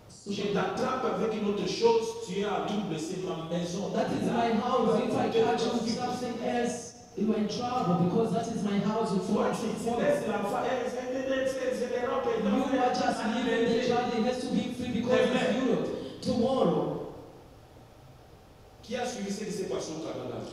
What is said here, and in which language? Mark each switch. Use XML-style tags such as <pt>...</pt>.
<fr>Je t'attrape avec une autre chose, tu es à double, c'est ma maison.</fr> <en>That is my house. If I catch you with something else, you are in trouble because that is my house. You are just leaving the child, it has to be free because it's Europe. Tomorrow.</en> <fr>Qui a suivi ce qui s'est passé au Canada?</fr>